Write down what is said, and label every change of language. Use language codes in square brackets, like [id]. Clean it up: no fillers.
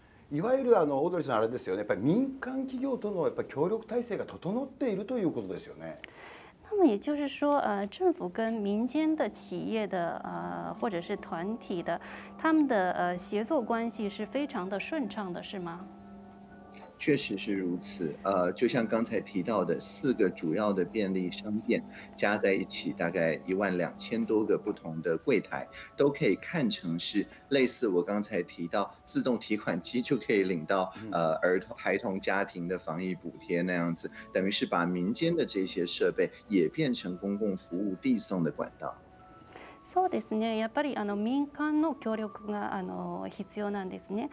[ja] いわゆるオードリーさん、あれですよね、やっぱり民間企業とのやっぱ協力体制が整っているということですよね。 [zh] 那么也就是说，政府跟民间的企业的或者是团体的，他们的协作关系是非常的顺畅的，是吗？确实是如此，就像刚才提到的四个主要的便利商店加在一起，大概12000多个不同的柜台，都可以看成是类似我刚才提到自动提款机就可以领到儿童、孩童家庭的防疫补贴那样子，等于是把民间的这些设备也变成公共服务递送的管道。 [ja] そうですね。やっぱり民間の協力が必要なんですね。